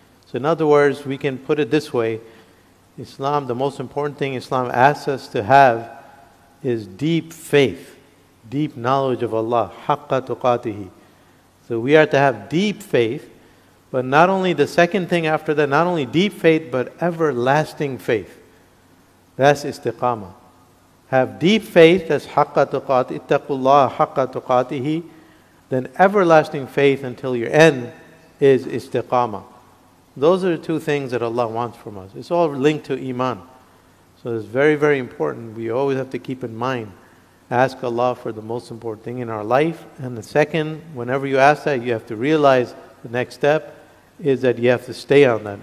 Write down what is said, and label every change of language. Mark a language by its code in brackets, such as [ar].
[en] So in other words, we can put it this way. Islam, the most important thing Islam asks us to have is deep faith, deep knowledge of Allah, حَقَّ تُقَاتِهِ. So we are to have deep faith, but not only the second thing after that, not only deep faith, but everlasting faith. That's istiqamah. Have deep faith, that's [ar] حَقَّ تُقَاتِهِ, اتَّقُوا اللَّهَ حَقَّ تُقَاتِهِ. [en] Then everlasting faith until your end is istiqamah. Those are the two things that Allah wants from us. It's all linked to iman. So it's very, very important. We always have to keep in mind, ask Allah for the most important thing in our life. And the second, whenever you ask that, you have to realize the next step is that you have to stay on that.